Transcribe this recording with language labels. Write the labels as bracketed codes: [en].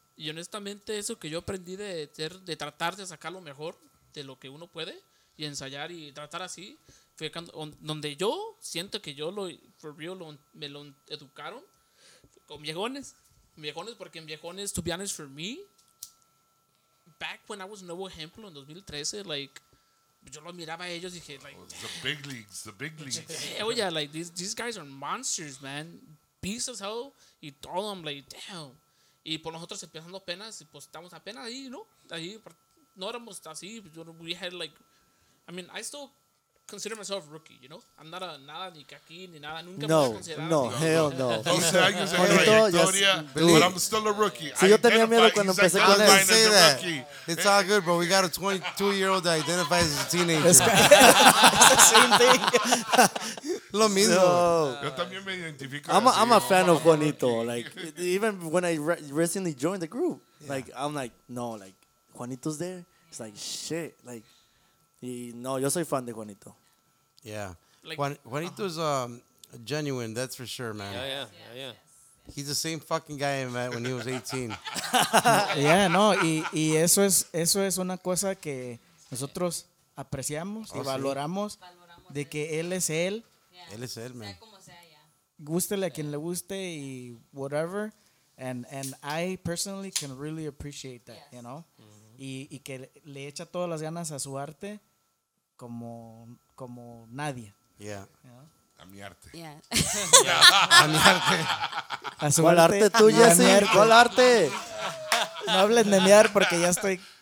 [es] Y honestamente eso que yo aprendí de tratar de sacar lo mejor de lo que uno puede y ensayar y tratar así, fue donde yo siento que yo lo, [en] for real, [es] me lo educaron con viejones, porque en viejones, [en] to be honest, for me, back when I was a [es] nuevo ejemplo en 2013, like, yo lo miraba a ellos y dije, like, [en] oh, the big leagues. Oh, yeah, like, these guys are monsters, man. Peace as hell, [es] y todo, [en] I'm like, damn. [es] Y por nosotros empezando apenas, pues estamos apenas ahí, ¿no? Ahí, no éramos así, [en] we had like, I mean, I still consider myself a rookie, you know? I'm not a [es] nada, ni aquí, ni nada, nunca me voy a considerar. [en] No, hell no. [es] 12 años de trayectoria, [en] but I'm still a rookie. [es] Si yo tenía miedo cuando empecé con él. [en] Say that. It's all good, bro. We got a 22-year-old that identifies as a teenager. It's the same thing. [es] Lo mismo. Yo también me identifico. [en] I'm a fan of Juanito. Like, even when I recently joined the group, yeah. Like, I'm like, no, like, Juanito's there. It's like, shit. [es] Like, y no, yo soy fan de Juanito. [en] Yeah. Like, Juanito's genuine, that's for sure, man. Yeah. He's the same fucking guy I met when he was 18. [es] Yeah, no, y eso es una cosa que nosotros apreciamos y valoramos, de que él es él. Él es él, man. Sea como sea, yeah. Gústele a quien le guste y whatever. [en] And I personally can really appreciate that, yes. You know. Mm-hmm. [es] Y que le echa todas las ganas a su arte como nadie. [en] Yeah. You know? [es] A mi arte. [en] Yeah. [es] A mi arte. A su ¿cuál arte tuya, sí? ¿Cuál arte? No hablen de mi arte porque ya estoy...